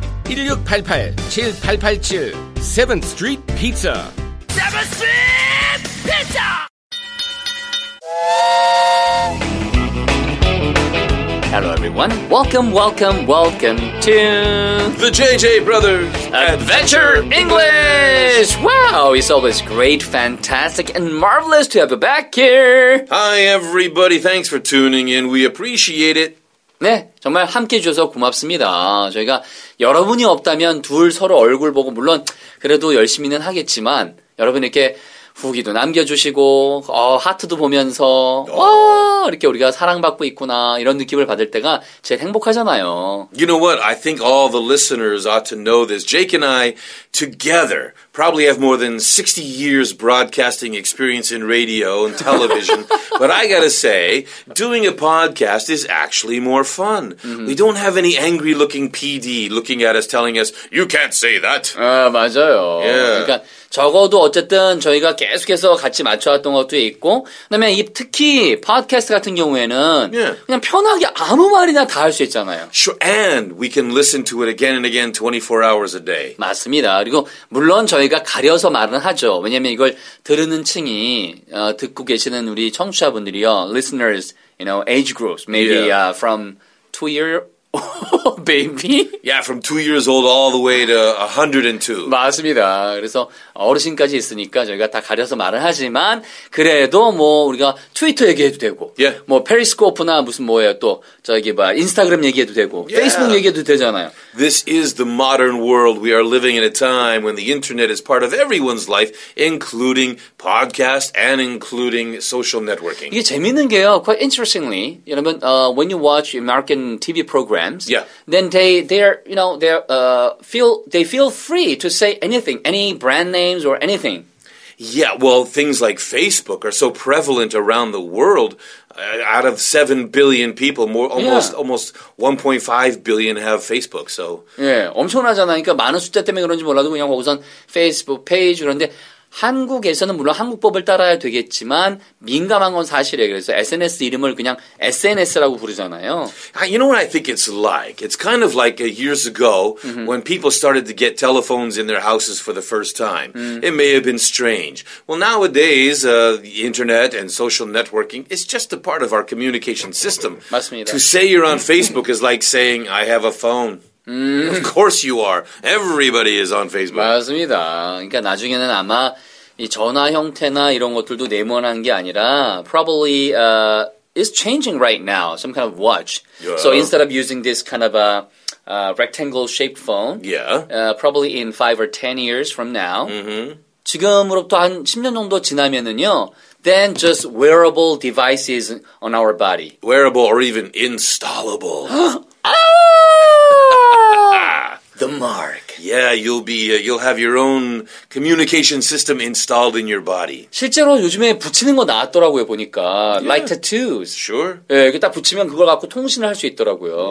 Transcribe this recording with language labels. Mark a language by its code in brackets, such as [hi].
[en] 1688-7887 7th Street Pizza. 7th Street Pizza! 헬로 에브리원, 웰컴 웰컴 웰컴 투 The JJ Brothers Adventure English. 와우, it's always great, fantastic and marvelous to have you back here. Hi everybody, thanks for tuning in. We appreciate it. [ko] 네, 정말 함께해 주셔서 고맙습니다. 저희가 여러분이 없다면 둘 서로 얼굴 보고, 물론 그래도 열심히는 하겠지만, 여러분에게 후기도 남겨주시고, 하트도 보면서, 이렇게 우리가 사랑받고 있구나, 이런 느낌을 받을 때가 제일 행복하잖아요. [en] You know what? I think all the listeners ought to know this. Jake and I, together, probably have more than 60 years broadcasting experience in radio and television. But I gotta say, doing a podcast is actually more fun. Mm-hmm. We don't have any angry looking PD looking at us telling us, you can't say that. [ko] 아, 맞아요. [en] Yeah. [ko] 그러니까 적어도 어쨌든 저희가 계속해서 같이 맞춰왔던 것도 있고, 그다음에 이 특히 팟캐스트 같은 경우에는 [en] yeah. [ko] 그냥 편하게 아무 말이나 다 할 수 있잖아요. [en] Sure. And we can listen to it again and again 24 hours a day. [ko] 맞습니다. 그리고 물론 저희가 가려서 말은 하죠. 왜냐하면 이걸 들으는 층이 듣고 계시는 우리 청취자분들이요. [en] Listeners, you know, age groups, maybe yeah. From 2 years baby. Yeah, from 2 years old all the way to 102. [ko] 맞습니다. 그래서 어르신까지 있으니까 저희가 다 가려서 말을 하지만 그래도 뭐 우리가 트위터 얘기해도 되고, [en] yeah. [ko] 뭐 페리스코프나 무슨 뭐예요 또 저기 뭐 인스타그램 얘기해도 되고, [en] yeah. [ko] 페이스북 얘기해도 되잖아요. [en] This is the modern world. We are living in a time when the internet is part of everyone's life, including podcast and including social networking. [ko] 이게 재밌는 게요. [en] Quite interestingly, 여러분, when you watch American TV programs, yeah. then they feel free to say anything, any brand names or anything. Yeah, well, things like Facebook are so prevalent around the world. Out of 7 billion people, almost 1.5 billion have Facebook. So [ko] 예, 엄청나잖아. 그러니까 많은 숫자 때문에 그런지 몰라도 그냥 우선 Facebook page 그런데 한국에서는 물론 한국법을 따라야 되겠지만 민감한 건 사실이에요. 그래서 SNS 이름을 그냥 SNS라고 부르잖아요. [en] You know what I think it's like? It's kind of like years ago when people started to get telephones in their houses for the first time. It may have been strange. Well, nowadays, the internet and social networking is just a part of our communication system. [ko] 맞습니다. [en] To say you're on Facebook is like saying, I have a phone. Of course you are. Everybody is on Facebook. [ko] 맞습니다. 그러니까 나중에는 아마 이 전화 형태나 이런 것들도 네모난 게 아니라 [en] probably is changing right now. Some kind of watch. Yeah. So instead of using this kind of a rectangle shaped phone, yeah. Probably in 5 or 10 years from now. Mm-hmm. [ko] 지금으로부터 한 10년 정도 지나면은요. [en] Then just wearable devices on our body. Wearable or even installable. The mark. Yeah, you'll be, you'll have your own communication system installed in your body. [ko] 실제로 요즘에 붙이는 거 나왔더라고요, 보니까. [en] Yeah. Like tattoos. Sure. [ko] 예, 이렇게 딱 붙이면 그걸 갖고 통신을 할 수 있더라고요.